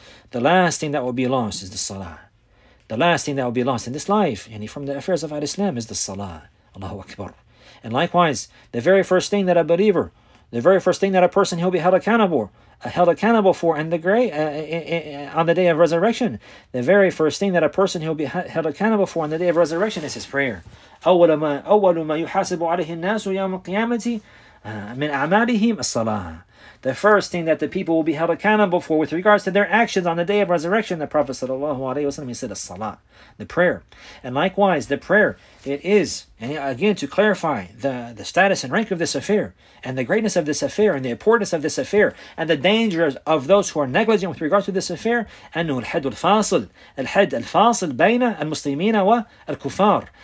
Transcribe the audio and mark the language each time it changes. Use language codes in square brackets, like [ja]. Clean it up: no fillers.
[en] the last thing that will be lost is the salah. The last thing that will be lost in this life, and from the affairs of al-Islam, is the salah. Allahu Akbar. And likewise, the very first thing that a believer, the very first thing that a person he'll be held accountable for in the grave, on the day of resurrection, the very first thing that a person he'll be held accountable for on the day of resurrection is his prayer. [ar] أول ما يحاسب عليه الناس يوم القيامة من أعمالهم الصلاة. [en] The first thing that the people will be held accountable for with regards to their actions on the day of resurrection, the Prophet sallallahu alaihi wasallam, he said, as salah, the prayer. And likewise, the prayer, it is, and again, to clarify the status and rank of this affair, and the greatness of this affair, and the importance of this affair, and the dangers of those who are negligent with regards to this affair, [ar] أنه الحد الفاصل, الحد الفاصل بين المسلمين والكفار.